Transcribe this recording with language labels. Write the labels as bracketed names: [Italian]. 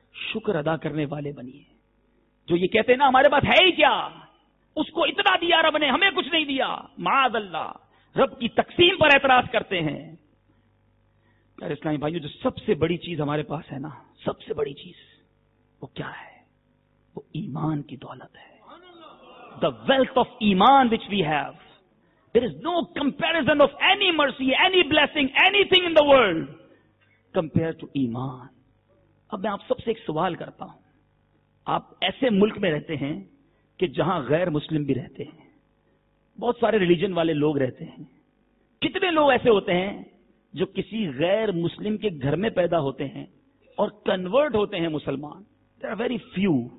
[Urdu] شکر ادا کرنے والے بنیے. جو یہ کہتے ہیں نا ہمارے پاس ہے ہی کیا, اس کو اتنا دیا رب نے ہمیں کچھ نہیں دیا, معاذ اللہ رب کی تقسیم پر اعتراض کرتے ہیں. پیارے اسلامی بھائیو, جو سب سے بڑی چیز ہمارے پاس ہے نا, سب سے بڑی چیز وہ کیا ہے؟ وہ ایمان کی دولت ہے. [English] The wealth of ایمان which we have, there is no comparison of any mercy, any blessing, anything in the world compared to ایمان. [Urdu] اب میں آپ سب سے ایک سوال کرتا ہوں, آپ ایسے ملک میں رہتے ہیں کہ جہاں غیر مسلم بھی رہتے ہیں, بہت سارے ریلیجن والے لوگ رہتے ہیں, کتنے لوگ ایسے ہوتے ہیں جو کسی غیر مسلم کے گھر میں پیدا ہوتے ہیں اور کنورٹ ہوتے ہیں مسلمان؟ [English] There are very few.